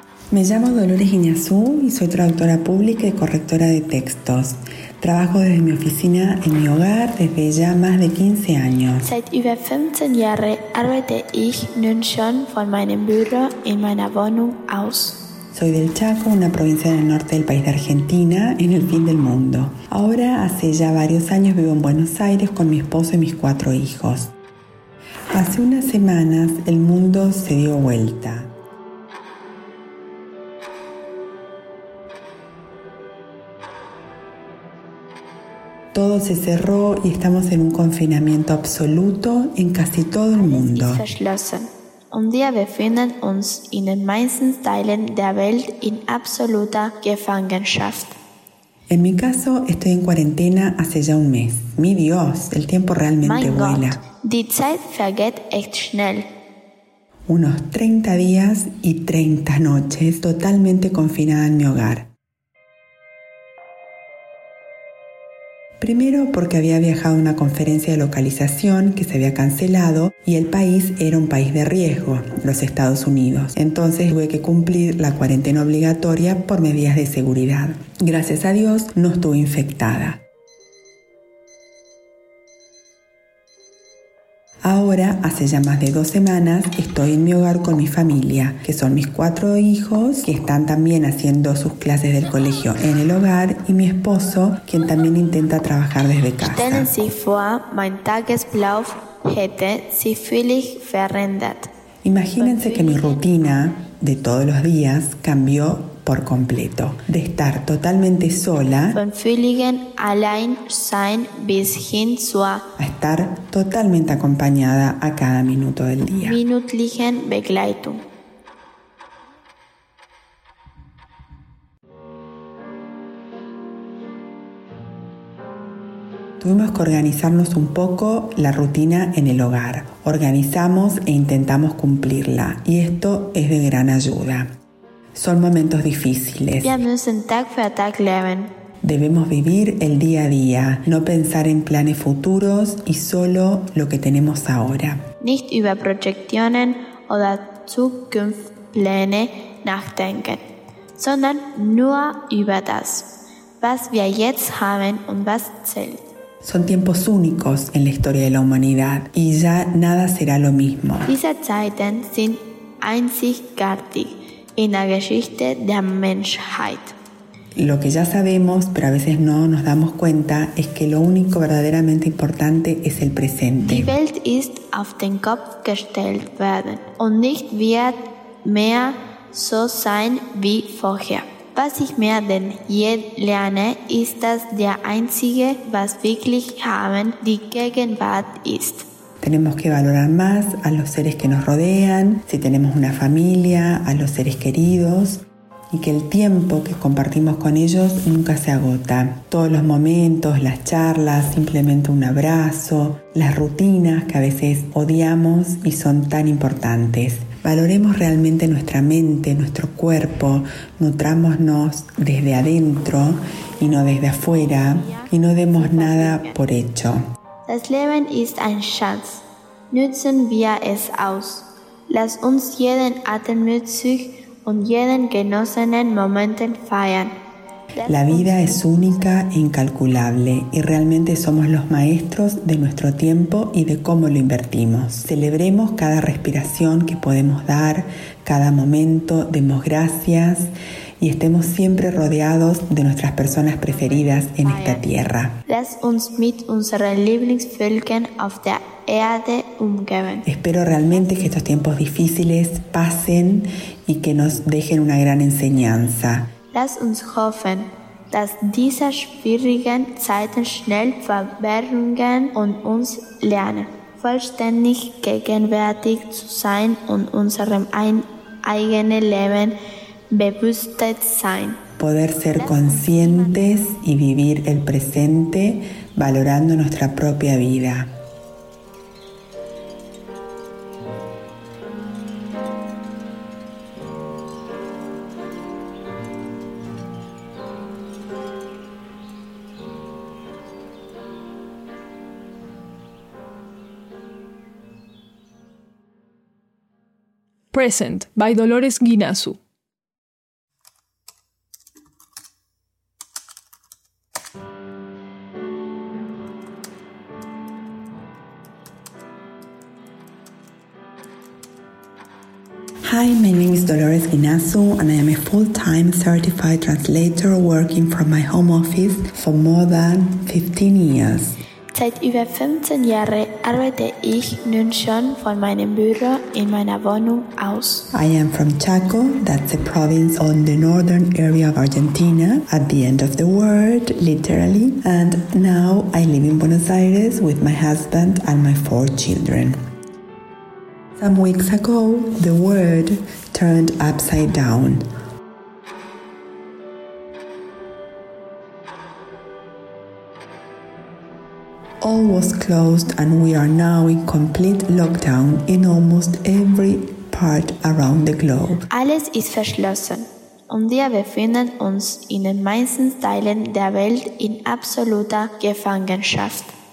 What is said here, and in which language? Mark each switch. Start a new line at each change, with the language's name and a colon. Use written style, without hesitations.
Spanish: Me llamo Dolores Guinazu y soy traductora pública y correctora de textos. Trabajo desde mi oficina en mi hogar desde ya más de 15 años.
German: Seit über 15 Jahre arbeite ich nun schon von meinem Büro in meiner Wohnung aus.
Spanish: Soy del Chaco, una provincia en el norte del país de Argentina, en el fin del mundo. Ahora, hace ya varios años, vivo en Buenos Aires con mi esposo y mis 4 hijos. Hace unas semanas, el mundo se dio vuelta. Todo se cerró y estamos en un confinamiento absoluto en casi todo el mundo.
German: Alles ist verschlossen. Und wir befinden uns in den meisten Teilen der Welt in absoluter Gefangenschaft.
Spanish: En mi caso, estoy en cuarentena hace ya un mes. Mi Dios, el tiempo realmente
German: mein
Spanish: vuela.
German: Gott, die Zeit vergeht echt schnell.
Spanish: Unos 30 días y 30 noches totalmente confinada en mi hogar. Primero porque había viajado a una conferencia de localización que se había cancelado y el país era un país de riesgo, los Estados Unidos. Entonces tuve que cumplir la cuarentena obligatoria por medidas de seguridad. Gracias a Dios no estuve infectada. Ahora, hace ya más de 2 semanas, estoy en mi hogar con mi familia, que son mis 4 hijos, que están también haciendo sus clases del colegio en el hogar, y mi esposo, quien también intenta trabajar desde casa.
German: Stellen Sie vor, mein Tagesablauf hätte sich völlig verändert.
Spanish: Imagínense que mi rutina de todos los días cambió por completo. De estar totalmente sola,
German: von völligen allein sein bis hin zur,
Spanish: a estar totalmente acompañada a cada minuto del día.
German: Minutlichen Begleitung.
Spanish: Tuvimos que organizarnos un poco la rutina en el hogar. Organizamos e intentamos cumplirla, y esto es de gran ayuda. Son momentos difíciles.
German: Wir müssen Tag für Tag leben.
Spanish: Debemos vivir el día a día, no pensar en planes futuros y solo lo que tenemos ahora.
German: Nicht über Projektionen oder Zukunftspläne nachdenken, sondern nur über das, was wir jetzt haben und was zählt.
Spanish: Son tiempos únicos en la historia de la humanidad y ya nada será lo mismo.
German: Diese Zeiten sind einzigartig in der Geschichte der Menschheit.
Spanish: Lo que ya sabemos, pero a veces no nos damos cuenta, es que lo único verdaderamente importante es el presente.
German: Die Welt ist auf den Kopf gestellt worden und nicht wird mehr so sein wie vorher. Was ich mehr denn je lerne, ist, dass der Einzige, was wirklich haben, die Gegenwart ist.
Spanish: Tenemos que valorar más a los seres que nos rodean, si tenemos una familia, a los seres queridos, y que el tiempo que compartimos con ellos nunca se agota. Todos los momentos, las charlas, simplemente un abrazo, las rutinas que a veces odiamos y son tan importantes. Valoremos realmente nuestra mente, nuestro cuerpo, nutrámonos desde adentro y no desde afuera y no demos nada por hecho.
German: Das Leben ist ein Schatz. Nutzen wir es aus. Lass uns jeden Atemzug und jeden genossenen Moment feiern.
Spanish: La vida es única e incalculable y realmente somos los maestros de nuestro tiempo y de cómo lo invertimos. Celebremos cada respiración que podemos dar, cada momento, demos gracias y estemos siempre rodeados de nuestras personas preferidas en esta tierra.
German: Lass uns mit unseren Lieblingsvölkern auf der Erde umgeben.
Spanish: Espero realmente que estos tiempos difíciles pasen y que nos dejen una gran enseñanza.
German: Lass uns hoffen, dass diese schwierigen Zeiten schnell vorbeigehen und uns lernen, vollständig gegenwärtig zu sein und unserem eigenen Leben bewusst sein.
Spanish: Poder ser conscientes y vivir el presente, valorando nuestra propia vida.
English: Present by Dolores Guinasu. Hi, my name is Dolores Guinasu and I am a full-time certified translator working from my home office for more than 15 years.
German: Seit über 15 Jahren arbeite ich nun schon von meinem Büro in meiner Wohnung aus.
English: I am from Chaco, that's a province on the northern area of Argentina, at the end of the world, literally. And now I live in Buenos Aires with my husband and my 4 children. Some weeks ago, the world turned upside down. All was closed and we are now in complete lockdown in almost every part around the globe.
German: Alles ist verschlossen und wir befinden uns in den meisten Teilen der Welt in absoluter Gefangenschaft.